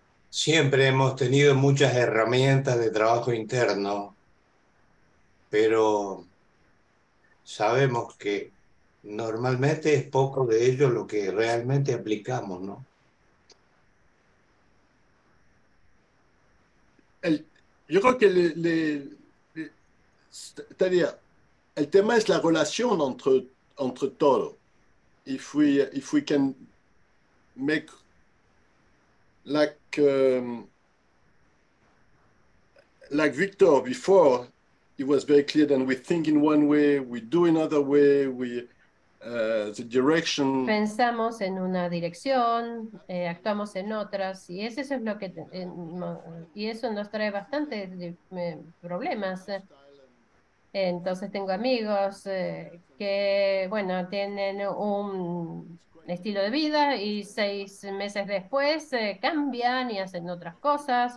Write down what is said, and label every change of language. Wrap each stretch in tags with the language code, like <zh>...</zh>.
<es>Siempre hemos tenido muchas herramientas de trabajo interno, pero sabemos que normalmente es poco de ello lo que realmente aplicamos, ¿no? Yo creo que el tema es la relación entre todo.</es> <en>If we can make like Victor before, it was very clear that we think in one way, we do another way, the direction.</en> <es>Pensamos en una dirección, actuamos en otras, y eso es lo que y eso nos trae bastantes problemas. Entonces tengo amigos que, bueno, tienen un estilo de vida y 6 meses después cambian y hacen otras cosas.</es>